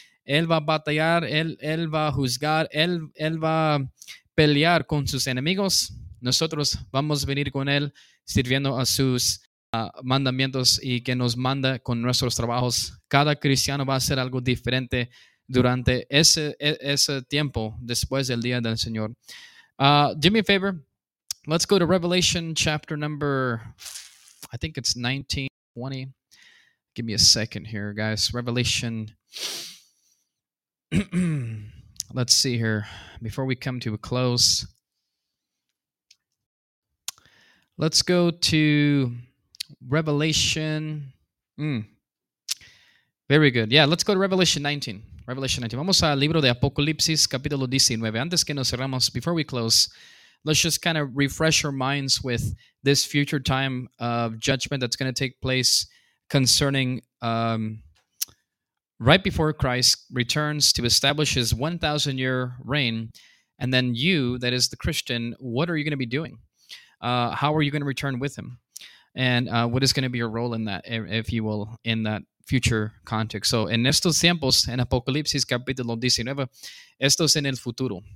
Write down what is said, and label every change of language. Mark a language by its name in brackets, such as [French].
[Spanish] Él va a batallar, él va a juzgar, él va a pelear con sus enemigos. Nosotros vamos a venir con él sirviendo a sus mandamientos y que nos manda con nuestros trabajos. Cada cristiano va a hacer algo diferente durante ese tiempo, después del día del Señor. [English] Do me a favor. Let's go to Revelation chapter number, I think it's 19:20. Give me a second here, guys. Revelation. Let's see here. Before we come to a close, let's go to Revelation. Very good. Yeah, let's go to Revelation 19. Revelation 19. [Spanish] Vamos al libro de Apocalipsis, capítulo 19. Antes que nos cerramos, [English] before we close, let's just kind of refresh our minds with this future time of judgment that's going to take place concerning right before Christ returns to establish his 1,000-year reign. And then you, that is the Christian, what are you going to be doing? How are you going to return with him? And what is going to be your role in that, if you will, in that future context? [Spanish] So en estos tiempos, en Apocalipsis capítulo 19, esto es en el futuro.